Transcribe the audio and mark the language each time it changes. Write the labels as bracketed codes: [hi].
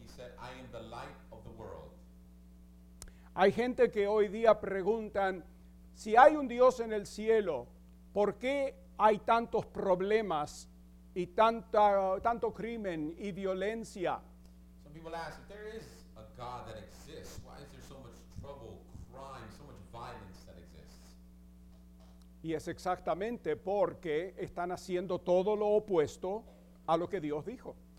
[en] He said, I am the light of the world. [es] Hay gente que hoy día preguntan, si hay un Dios en el cielo, ¿por qué hay tantos problemas y tanto crimen y violencia? [en] Some people ask, if there is a God that exists, why is there so much trouble, crime, so much violence that exists? [es] Y es exactamente porque están haciendo todo lo opuesto a lo que Dios dijo.